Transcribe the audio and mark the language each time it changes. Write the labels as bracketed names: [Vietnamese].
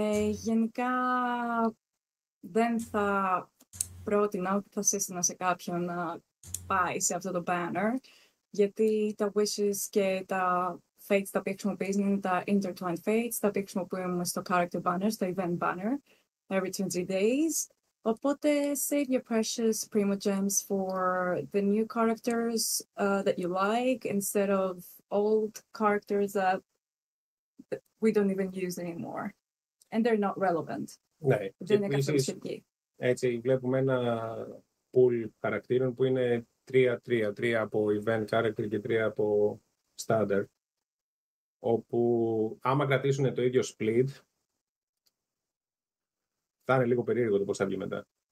[Greek] Γενικά δεν θα πρότεινα, θα σύστηνα σε κάποιον να πάει σε αυτό το banner, γιατί τα wishes και τα fates τα οποία χρησιμοποιήσουν είναι τα intertwined fates, τα οποία χρησιμοποιούμε στο character banner, στο event banner, [English] every 20 days. [Greek] Οπότε, [English] save your precious Primo gems for the new characters that you like instead of old characters that we don't even use anymore. And they're not relevant. [Greek] Ναι. Δεν είναι καθόλου σημαντική. Έτσι, βλέπουμε ένα pool χαρακτήρων που είναι 3-3. Τρία από event character και τρία από standard. Όπου, άμα κρατήσουν το ίδιο split, θα είναι λίγο περίεργο το πώς θα βγει μετά.